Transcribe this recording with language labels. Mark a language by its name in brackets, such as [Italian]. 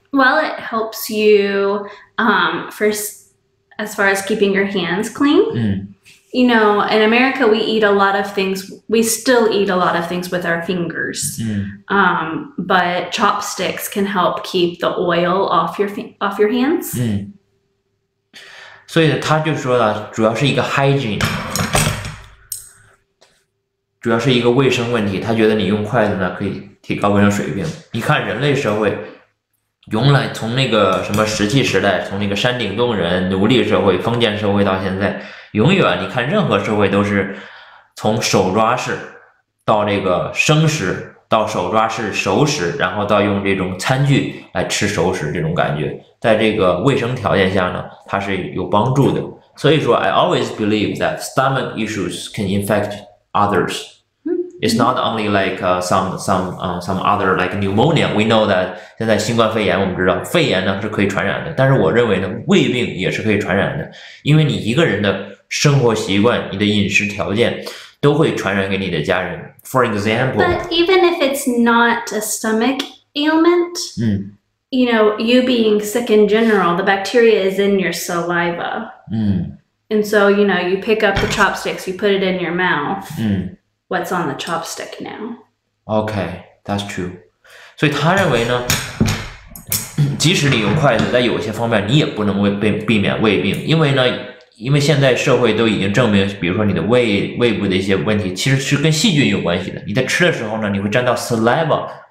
[English] Well, it helps you first as far as keeping your hands clean. You know, in America, we eat a lot of things. We still eat a lot of things with our fingers. But chopsticks can help keep the oil off your hands. [Chinese] 所以他就说了，主要是一个 hygiene，主要是一个卫生问题。他觉得你用筷子呢，可以提高卫生水平。你看人类社会，原来从那个什么石器时代，从那个山顶洞人、奴隶社会、封建社会到现在，永远你看任何社会都是从手抓式到这个生食。到手抓式熟食，然后到用这种餐具来吃熟食，这种感觉，在这个卫生条件下呢，它是有帮助的。所以说， [English] I always believe that stomach issues can infect others. It's not only like some other like pneumonia. We know that [Chinese] 现在新冠肺炎，我们知道肺炎呢是可以传染的，但是我认为呢，胃病也是可以传染的，因为你一个人的生活习惯、你的饮食条件都会传染给你的家人。 [English] For But example。 even if it's not a stomach ailment, you know, you being sick in general, the bacteria is in your saliva. And so, you know, you pick up the chopsticks, you put it in your mouth. What's on the chopstick now? OK，that's true。 [Chinese] 所以他认为呢，即使你用筷子，在有些方面你也不能避免胃病，因为呢，因为现在社会都已经证明，比如说你的胃部的一些问题，其实是跟细菌有关系的。你在吃的时候呢，你会沾到 saliva。